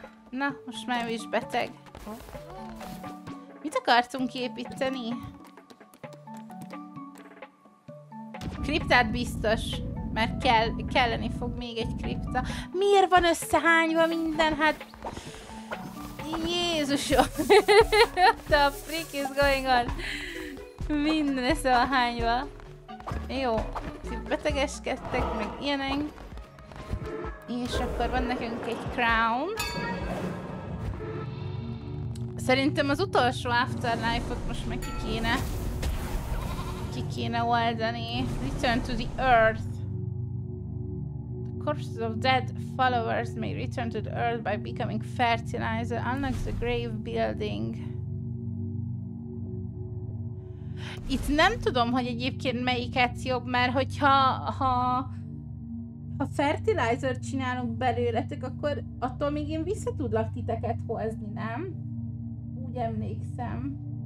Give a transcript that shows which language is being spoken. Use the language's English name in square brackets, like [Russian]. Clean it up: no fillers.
[Hungarian] Na, most már ő is beteg. Mit akartunk építeni? kriptát biztos, mert kelleni fog még egy kripta. Miért van összehányva minden? Hát... Jézusom! [English] What the freak is going on? [Hungarian] Minden összehányva. Jó, betegeskedtek, meg ilyenek. És akkor van nekünk egy crown. Szerintem az utolsó afterlife-ot most meg ki kéne oldani. [English] Return to the earth. The corpses of dead followers may return to the earth by becoming fertilizer. Unlock the grave building. [Hungarian] Itt nem tudom, hogy egyébként melyiket jobb, mert hogyha ha fertilizer csinálunk belőletek, akkor attól még én vissza tudlak titeket hozni, nem? Emlékszem.